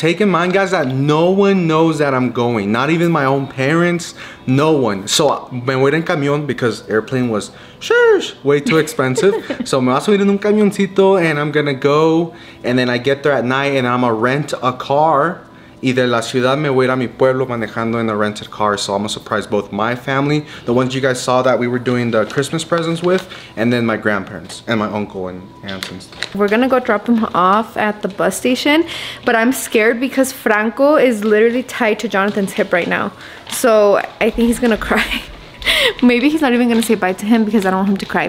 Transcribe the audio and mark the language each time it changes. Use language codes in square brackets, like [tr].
[en] Take in mind, guys, that no one knows that I'm going. Not even my own parents. No one. So, [es] me voy en camión [en] because airplane was, shush, way too expensive. [es] So, me vas a ir en un camioncito [en] and I'm gonna go. And then I get there at night and I'm gonna rent a car. [es] Y de la ciudad me voy a mi pueblo manejando [en] in a rented car. So, I'm gonna surprise both my family, the ones you guys saw that we were doing the Christmas presents with, and then my grandparents and my uncle and aunts and stuff. We're gonna go drop them off at the bus station, but I'm scared because Franco is literally tied to Jonathan's hip right now. So, I think he's gonna cry. Maybe he's not even gonna say bye to him because I don't want him to cry.